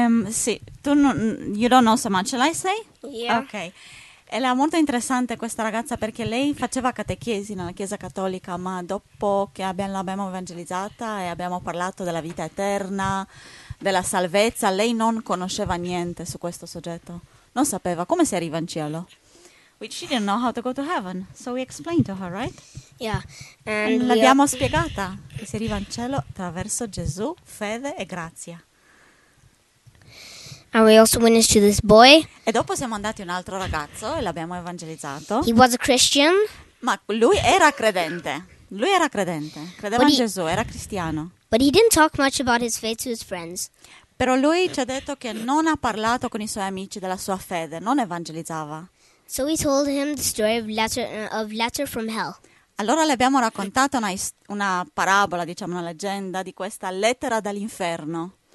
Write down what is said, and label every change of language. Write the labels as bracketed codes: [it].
[it] Sì, tu non, [en] you don't know so much, shall I say? Yeah. Ok. [it] E era molto interessante questa ragazza perché lei faceva catechesi nella chiesa cattolica, ma dopo che l'abbiamo evangelizzata e abbiamo parlato della vita eterna, della salvezza, lei non conosceva niente su questo soggetto. Non sapeva come si arriva in cielo. [en] Which she didn't know how to go to heaven, so we explained to her, right? Yeah. [it] And l'abbiamo spiegata che si arriva in cielo attraverso Gesù, fede e grazia. [en] And we also witnessed to this boy. [it] E dopo siamo andati un altro ragazzo e l'abbiamo evangelizzato. [en] He was a Christian. [it] Ma lui era credente. Lui era credente. Credeva in Gesù, era cristiano. [en] But he didn't talk much about his faith to his friends. [it] Però lui ci ha detto che non ha parlato con i suoi amici della sua fede, non evangelizzava. [en] So we told him the story of letter from hell. [it] Allora le abbiamo raccontato una parabola, diciamo una leggenda di questa lettera dall'inferno.